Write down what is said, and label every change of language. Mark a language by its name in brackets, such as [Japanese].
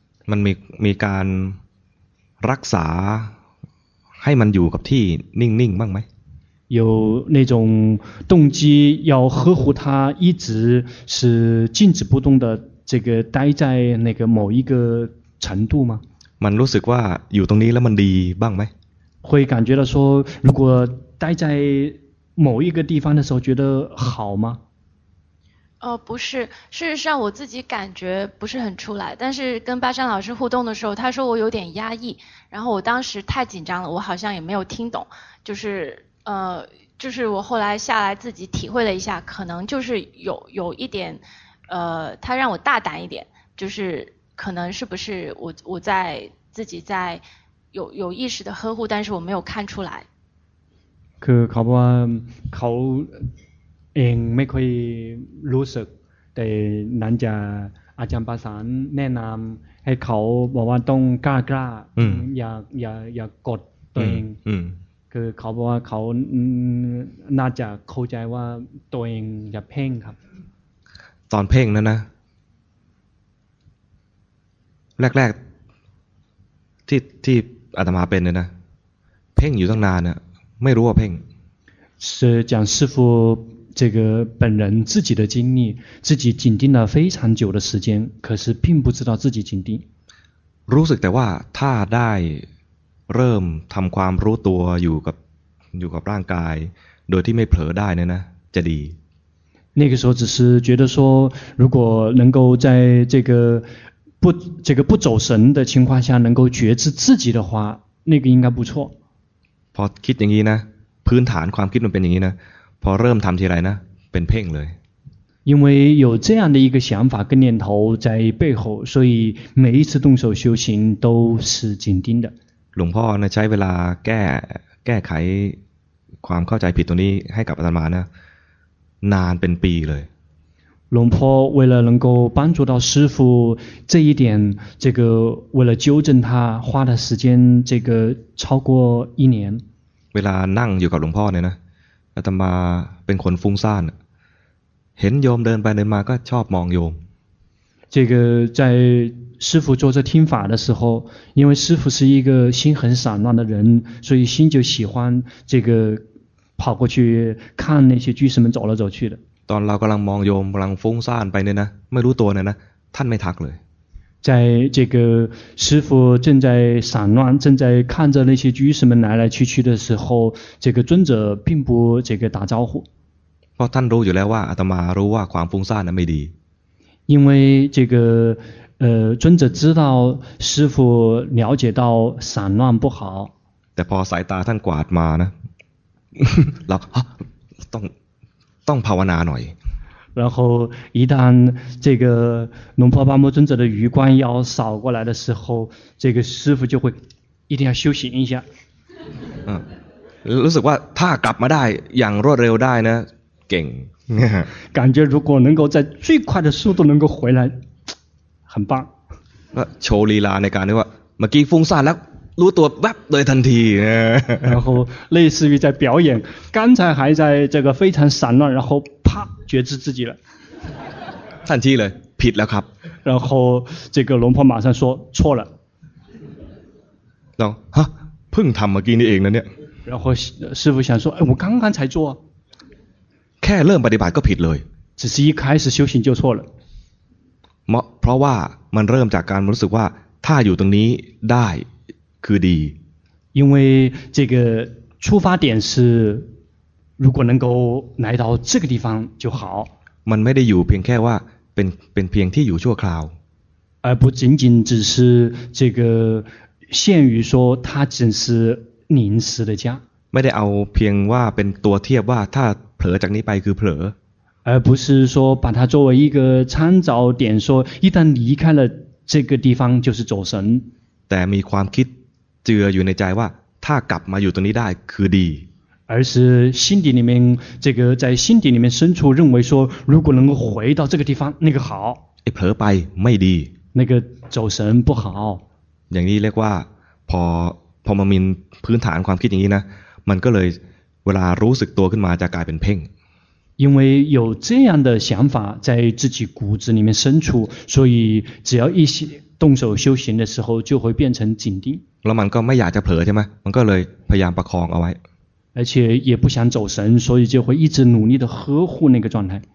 [Thai] มันมีการรักษาให้มันอยู่กับที่นิ่งๆบ้างไหม [Chinese] 有那种动机要呵护它一直是静止不动的这个待在那个某一个程度吗 [Thai] มันรู้สึกว่าอยู่ตรงนี้แล้วมันดีบ้างไหม [Chinese] 会感觉到说如果待在某一个地方的时候觉得好吗不是事实上我自己感觉不是很出来但是跟巴山老师互动的时候他说我有点压抑然后我当时太紧张了我好像也没有听懂就是我后来下来自己体会了一下可能就是有一点他让我大胆一点就是可能是不是我在自己在有意识的呵护但是我没有看出来可考不完考 [Thai] เองไม่ค่อยรู้สึก แต่นั้นจะอาจารย์ปาสานแนะนำให้เขาบอกว่าต้องกล้ากล้าอย่ากดตัวเองคือเขาบอกว่าเขาน่าจะเข้าใจว่าตัวเองอย่าเพ่งครับ ตอนเพ่งนั้นนะแรกๆที่อาตมาเป็นเนี่ยนะเพ่งอยู่ตั้งนานเนี่ยไม่รู้ว่าเพ่ง [Chinese] 是讲师父这个本人自己的经历自己紧盯了非常久的时间可是并不知道自己紧盯 [Thai] รู้สึกแต่ว่าถ้าได้เริ่มทำความรู้ตัวอยู่กับร่างกายโดยที่ไม่เผลอได้เนี่ยนะจะดี [Chinese] 那个时候只是觉得说如果能够在这个不这个不走神的情况下能够觉知自己的话那个应该不错 [Thai] พอคิดอย่างนี้นะพื้นฐานความคิดมันเป็นอย่างนี้นะพอเริ่มทำทีไรนะเป็นเพ่งเลย [Chinese] 因为有这样的一个想法跟念头在背后所以每一次动手修行都是紧盯的 [Thai] หลวงพ่อนะใช้เวลาแก้ไขความเข้าใจผิดตรงนี้ให้กับอาตมานะนานเป็นปีเลย [Chinese] หลวงพ่อ为了能够帮助到师父这一点这个为了纠正他花的时间这个超过一年 [Thai] เวลานั่งอยู่กับหลวงพ่อเนี่ยนะอาตมาเป็นคนฟุ้งซ่านเห็นโยมเดินไปเดินมาก็ชอบมองโยม [Chinese] 这个在师父坐着听法的时候因为师父是一个心很散乱的人所以心就喜欢这个跑过去看那些居士们走来走去的 [Thai] ตอนเรากำลังมองโยมกำลังฟุ้งซ่านไปเนี่ยนะไม่รู้ตัวเนี่ยนะท่านไม่ทักเลย [Chinese] 在这个师父正在散乱正在看着那些居士们来来去去的时候这个尊者并不这个打招呼 [Thai] เพราะท่านรู้อยู่แล้วว่าอาตมารู้ว่าความฟุ้งซ่านนั้นไม่ดี [Chinese] 因为这个尊者知道师父了解到散乱不好 [Thai] แต่พอสายตาท่านกวาดมานะ แล้วต้องภาวนาหน่อย [Chinese] 然后一旦这个龙婆巴摩尊者的余光要扫过来的时候这个师父就会一定要修行一下 [Thai] 嗯รู้สึกว่าถ้ากลับมาได้อย่างรวดเร็วได้นะเก่ง [Chinese] 感觉如果能够在最快的速度能够回来很棒 [Thai] ก็โชว์ลีลาในการที่ว่าเมื่อกี้ฟุ้งซ่านแล้วรู้ตัวแวบเลยทันที [Chinese] 然后类似于在表演刚才还在这个非常散乱然后啪觉知自己了 [Thai] ทันทีเลยผิดแล้วครับ [Chinese] 然后这个龙婆马上说错 [Thai] 了น้องฮะเพิ่งทำเมื่อกี้นี่เองนะเนี่ย [Chinese] 然后师父想说哎我刚刚才做 [Thai] แค่เริ่มปฏิบัติก็ผิดเลย [Chinese] 只是一开始修行就错了 [Thai] เพราะว่ามันเริ่มจากการรู้สึกว่าถ้าอยู่ตรงนี้ได้คือดี [Chinese] 因为这个出发点是如果能够来到这个地方就好 [Thai] มันไม่ได้อยู่เพียงแค่ว่าเป็นเพียงที่อยู่ชั่วคราว [Chinese] 而不仅仅只是这个限于说它只是临时的家 [Thai] ไม่ได้เอาเพียงว่าเป็นตัวเทียบว่าถ้าเผลอจากนี้ไปคือเผลอ [Chinese] 而不是说把它作为一个参照点说一旦离开了这个地方就是走神 [Thai] แต่มีความคิดเจืออยู่ในใจว่าถ้ากลับมาอยู่ตรงนี้ได้คือดี [Chinese] 而是心底里面这个在心底里面深处认为说如果能够回到这个地方那个好 [Thai] เผลอไปไม่ดี [Chinese] 那个走神不好 [Thai] อย่างนี้เรียกว่าพอมามีพื้นฐานความคิดอย่างนี้นะมันก็เลยเวลารู้สึกตัวขึ้นมาจะกลายเป็นเพ่ง [Chinese] 因为有这样的想法在自己骨子里面深处所以只要一些动手修行的时候就会变成紧盯 [Thai] แล้วมันก็ไม่อยากจะเผลอใช่ไหมมันก็เลยพยายามประคองเอาไว้ [Chinese] 而且也不想走神所以就会一直努力的呵护那个状态